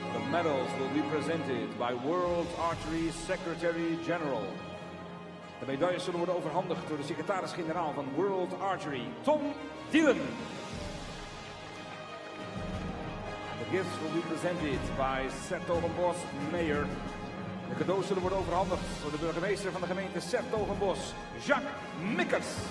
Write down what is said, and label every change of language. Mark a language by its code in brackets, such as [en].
[en] Medals will be presented by World Archery Secretary General. [nl] De medailles zullen worden overhandigd door de secretaris-generaal van World Archery, Tom Dillon. [en] The gifts will be presented by s-Hertogenbosch Mayor. [nl] De cadeaus zullen worden overhandigd door de burgemeester van de gemeente s-Hertogenbosch, Jacques Mikkers.